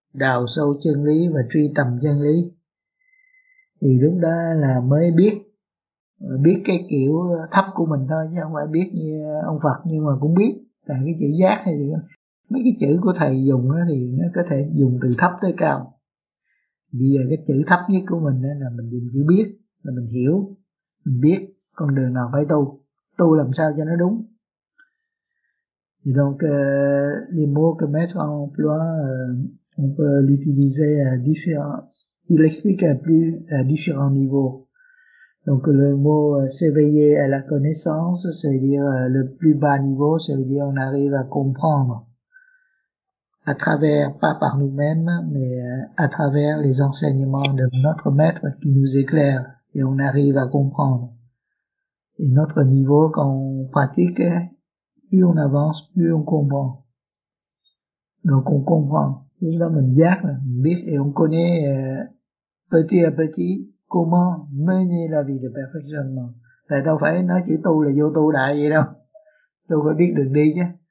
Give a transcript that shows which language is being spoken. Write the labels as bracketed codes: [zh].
[vi] Đào sâu chân lý và truy tầm chân lý. Thì lúc đó là mới biết, biết cái kiểu thấp của mình thôi, chứ không phải biết như ông Phật, nhưng mà cũng biết. Tại cái chữ giác hay thì mấy cái chữ của thầy dùng thì nó có thể dùng từ thấp tới cao. Bây giờ cái chữ thấp nhất của mình là mình dùng chữ biết, là mình hiểu, mình biết con đường nào phải tu, tu làm sao cho nó đúng. [fr] Et donc, les mots que Maître emploie, on peut l'utiliser à différents, il explique à plus, à différents niveaux. Donc, le mot s'éveiller à la connaissance, ça veut dire le plus bas niveau, ça veut dire on arrive à comprendre à travers, pas par nous-mêmes, mais à travers les enseignements de notre Maître qui nous éclaire et on arrive à comprendre. Et notre niveau, quand on pratique, plus on avance, plus on comprend. Donc on comprend. Et là, on giác, et on connaît petit à petit comment mener la vie de perfectionnement. [vi] Tại đâu phải nói chỉ tu là vô tu đại vậy đâu. Tu phải biết đường đi chứ.